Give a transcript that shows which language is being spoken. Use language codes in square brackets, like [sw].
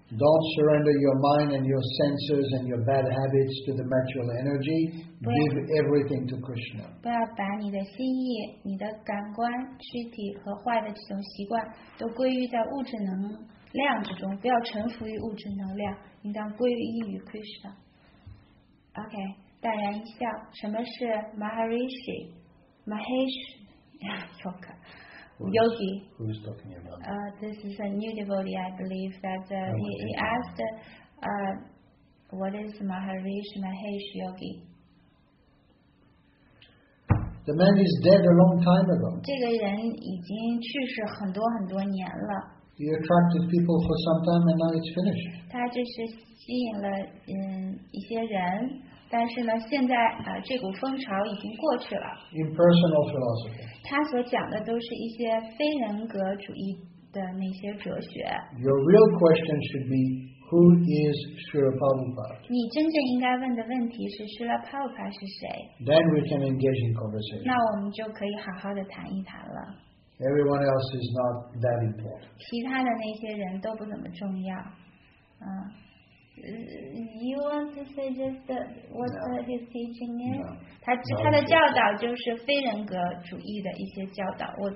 [en] Don't surrender your mind and your senses and your bad habits to the material energy. Give everything to Krishna. [zh] 不要把你的心意、你的感官、躯体和坏的这种习惯都归于在物质能量之中，不要臣服于物质能量，应当归于于Krishna。 OK， 淡然一笑，什么是 Maharishi Mahesh Yoga？ Yogi. [en] Who's talking about? This is a new devotee, I believe, that he asked, what is Maharishi Mahesh Yogi? The man is dead a long time ago. [zh] 这个人已经去世很多很多年了。 [en] He attracted people for some time and now it's finished. [zh] 他就是吸引了一些人。但是呢，现在这股风潮已经过去了。 [en] Impersonal philosophy。 [zh] 他所讲的都是一些非人格主义的那些哲学。 [en] Your real question should be, who is Srila [zh] Prabhupada?你真正应该问的问题是，Srila Prabhupada是谁？ [en] Then we can engage in conversation。 [zh] 那我们就可以好好的谈一谈了。 [en] Everyone else is not that important。 [zh] 其他的那些人都不怎么重要。嗯。 [en] You want to say just what his teaching is? No. [zh] 他的教导就是非人格主义的一些教导。